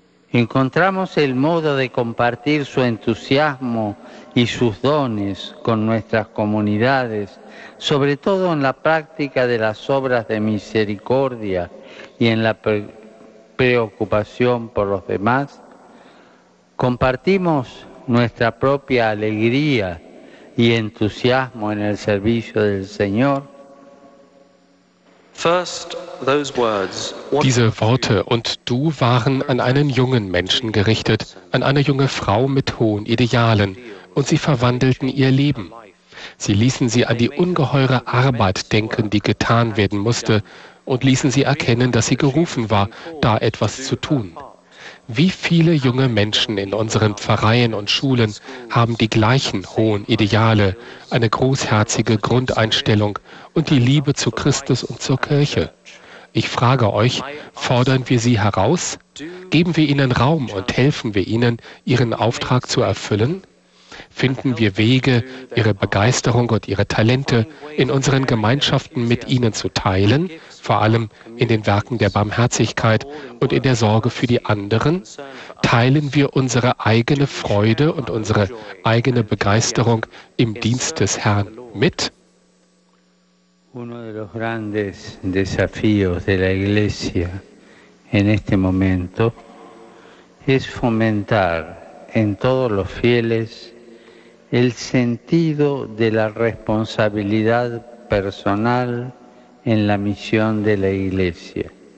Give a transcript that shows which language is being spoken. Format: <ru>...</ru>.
<es>¿Encontramos el modo de compartir su entusiasmo y sus dones con nuestras comunidades, sobre todo en la práctica de las obras de misericordia y en la preocupación por los demás? ¿Compartimos nuestra propia alegría y entusiasmo en el servicio del Señor?</es> <de>Diese Worte und du waren an einen jungen Menschen gerichtet, an eine junge Frau mit hohen Idealen, und sie verwandelten ihr Leben. Sie ließen sie an die ungeheure Arbeit denken, die getan werden musste, und ließen sie erkennen, dass sie gerufen war, da etwas zu tun. Wie viele junge Menschen in unseren Pfarreien und Schulen haben die gleichen hohen Ideale, eine großherzige Grundeinstellung und die Liebe zu Christus und zur Kirche? Ich frage euch, fordern wir sie heraus? Geben wir ihnen Raum und helfen wir ihnen, ihren Auftrag zu erfüllen? Finden wir Wege, ihre Begeisterung und ihre Talente in unseren Gemeinschaften mit ihnen zu teilen, vor allem in den Werken der Barmherzigkeit und in der Sorge für die anderen? Teilen wir unsere eigene Freude und unsere eigene Begeisterung im Dienst des Herrn mit?</de> <es>Uno de los grandes desafíos de la Iglesia en este momento es fomentar en todos los fieles el sentido de la responsabilidad personal en la misión de la Iglesia</es>